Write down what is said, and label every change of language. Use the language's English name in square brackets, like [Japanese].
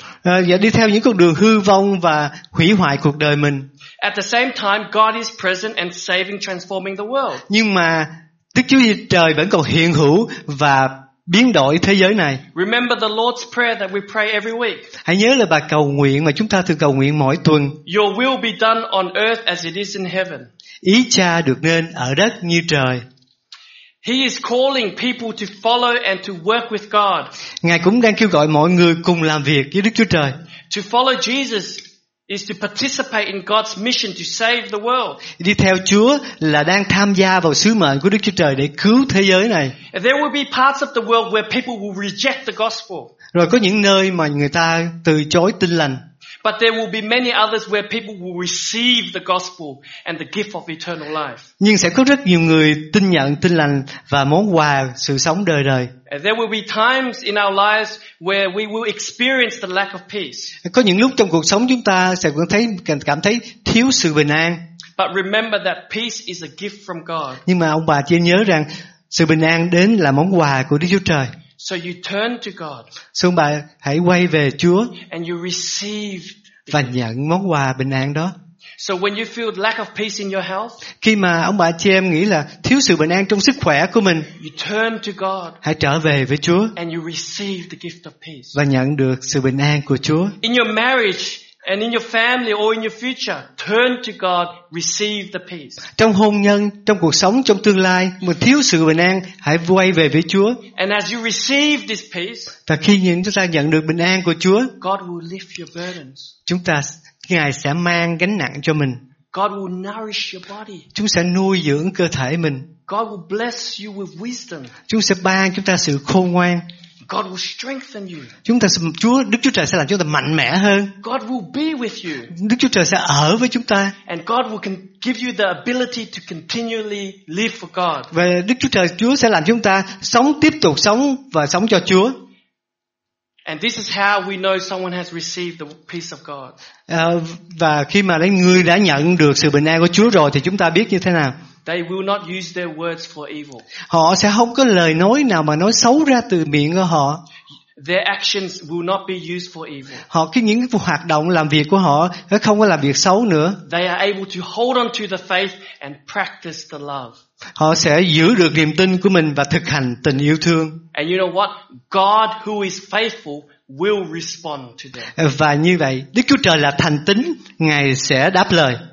[Vietnamese] Và đi theo những con đường hư vong và hủy hoại cuộc đời mình. [English] At the same time, God is present and saving, transforming the world. [Vietnamese] Nhưng mà Đức Chúa Trời vẫn còn hiện hữu và biến đổi thế giới này. [English] Remember the Lord's prayer that we pray every week. [Vietnamese] Hãy nhớ là bài cầu nguyện mà chúng ta thường cầu nguyện mỗi tuần. [English] Your will be done on earth as it is in heaven. [Vietnamese] Ý cha được nên ở đất như trời. [English] He is calling people to follow and to work with God. [Vietnamese] Ngài cũng đang kêu gọi mọi người cùng làm việc với Đức Chúa Trời. [English] To follow Jesus is to participate in God's mission to save the world. [Vietnamese] Đi theo Chúa là đang tham gia vào sứ mệnh của Đức Chúa Trời để cứu thế giới này. [English] There will be parts of the world where people will reject the gospel. [Vietnamese] Rồi có những nơi mà người ta từ chối tin lành. [English] But there will be many others where people will receive the gospel and the gift of eternal life. [Vietnamese] Nhưng sẽ có rất nhiều người tin nhận tin lành và món quà sự sống đời đời. [English] There will be times in our lives where we will experience the lack of peace. [Vietnamese] Có những lúc trong cuộc sống chúng ta sẽ cảm thấy thiếu sự bình an. [English] But remember that peace is a gift from God. [Vietnamese] Nhưng mà ông bà chỉ nhớ rằng sự bình an đến là món quà của Đức Chúa Trời. [English] So you turn to God. [Vietnamese] Xin bà hãy quay về Chúa. [English] And you receive [Vietnamese] và nhận món quà bình an đó. [English] So when you feel lack of peace in your health, [Vietnamese] khi mà ông bà chị em nghĩ là thiếu sự bình an trong sức khỏe của mình, [English] you turn to God. [Vietnamese] Hãy trở về với Chúa. [English] And you receive the gift of peace. [Vietnamese] Và nhận được sự bình an của Chúa. [English] In your marriage and in your family or in your future, turn to God, receive the peace. [Vietnamese] Trong hôn nhân, trong cuộc sống, trong tương lai, mà thiếu sự bình an, hãy quay về với Chúa. [English] And as you receive this peace, [Vietnamese] và khi chúng ta nhận được bình an của Chúa, [English] God will lift your burdens. [Vietnamese] Chúng ta, Ngài sẽ mang gánh nặng cho mình. [English] God will nourish your body. [Vietnamese] Chúng sẽ nuôi dưỡng cơ thể mình. [English] God will bless you with wisdom. [Vietnamese] Chúng sẽ ban chúng ta sự khôn ngoan. [English] God will strengthen you. [Vietnamese] Chúng ta Chúa Đức Chúa Trời sẽ làm chúng ta mạnh mẽ hơn. [English] God will be with you. [Vietnamese] Đức Chúa Trời sẽ ở với chúng ta. [English] And God will give you the ability to continually live for God. [Vietnamese] Và Đức Chúa Trời Chúa sẽ làm chúng ta sống tiếp tục sống và sống cho Chúa. [English] And this is how we know someone has received the peace of God. [Vietnamese] Và khi mà người đã nhận được sự bình an của Chúa rồi thì chúng ta biết như thế nào? [English] They will not use their words for evil. [Vietnamese] Họ sẽ không có lời nói nào mà nói xấu ra từ miệng của họ. [English] Their actions will not be used for evil. [Vietnamese] Họ cái những hoạt động làm việc của họ sẽ không có làm việc xấu nữa. [English] They are able to hold on to the faith and practice the love. [Vietnamese] Họ sẽ giữ được niềm tin của mình và thực hành tình yêu thương. [English] And you know what? God, who is faithful, will respond to them. [Vietnamese] Và như vậy, Đức Chúa Trời là thành tín, Ngài sẽ đáp lời.